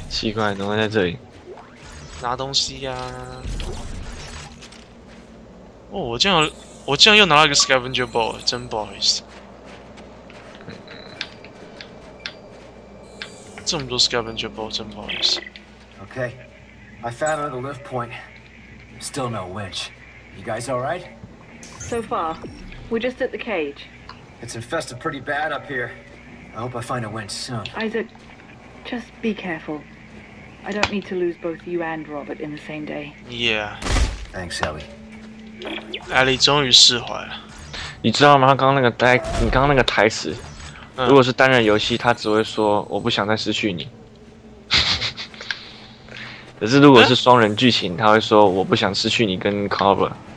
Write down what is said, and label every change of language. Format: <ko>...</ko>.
<zh>奇怪，怎么在这里？拿东西呀、啊！哦，我竟然又拿了一个 scavenger ball， 真不好意思。这么多 scavenger ball， 真不好意思。</zh> <en>Okay, I found another lift point. Still no witch. You guys all right? So far, we're just at the cage. It's infested pretty bad up here. I hope I find a winch soon. Isaac, just be careful. I don't need to lose both you and Robert in the same day. Yeah. Thanks, Ellie.</en> <zh>Ellie 终于释怀了。你知道吗？你刚刚那个台词。如果是单人游戏，他只会说我不想再失去你。可是如果是双人剧情，他会说我不想失去你跟 Cover。</zh>